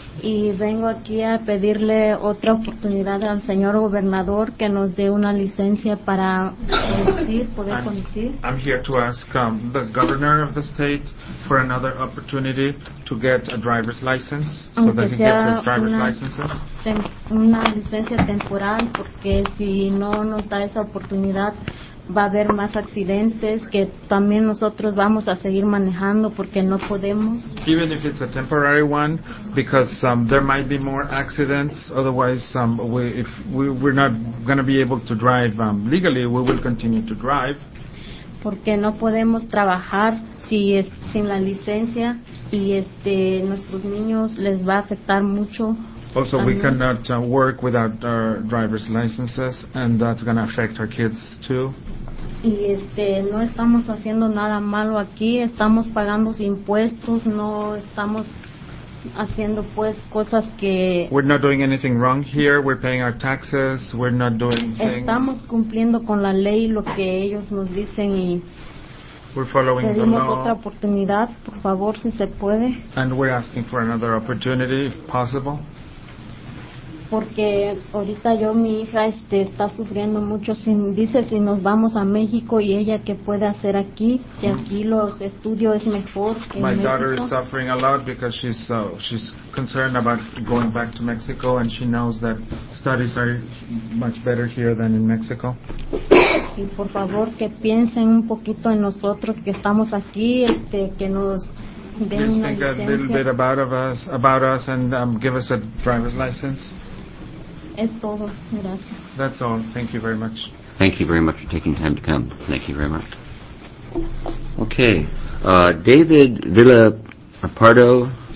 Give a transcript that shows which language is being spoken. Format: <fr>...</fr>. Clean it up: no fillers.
<es>Y vengo aquí a pedirle otra oportunidad al señor gobernador que nos dé una licencia para conducir.</es> <en>I'm here to ask the governor of the state for another opportunity to get a driver's license,</en> <es>aunque</es> <en>so that he gets his driver's licenses.</en> <es>Una licencia temporal, porque si no nos da esa oportunidad va a haber más accidentes que también nosotros vamos a seguir manejando porque no podemos.</es> <en>Even if it's a temporary one, because there might be more accidents, otherwise if we're not going to be able to drive legally, we will continue to drive.</en> <es>Porque no podemos trabajar si es sin la licencia y nuestros niños les va a afectar mucho.</es> <en>Also, we cannot work without our driver's licenses, and that's going to affect our kids, too.</en> <es>Y no estamos haciendo nada malo aquí. Estamos pagando impuestos. No estamos haciendo, pues, cosas que...</es> <en>We're not doing anything wrong here. We're paying our taxes. We're not doing things.</en> <es>Estamos cumpliendo con la ley lo que ellos nos dicen y...</es> <en>We're following the law.</en> <es>Pedimos otra oportunidad, por favor, si se puede.</es> <en>And we're asking for another opportunity, if possible.</en> <es>Porque ahorita yo, mi hija, está sufriendo mucho. Dice si nos vamos a México y ella qué puede hacer aquí, que aquí los estudios es mejor que en México.</es> <en>My daughter is suffering a lot because she's concerned about going back to Mexico, and she knows that studies are much better here than in Mexico.</en> <es>Y por favor que piensen un poquito en nosotros que estamos aquí, que nos...</es> <en>Please think a little bit about us and give us a driver's license.</en> <es>Es todo. Gracias.</es> <en>That's all. Thank you very much. Thank you very much for taking time to come. Thank you very much. Okay. David Villapardo.</en>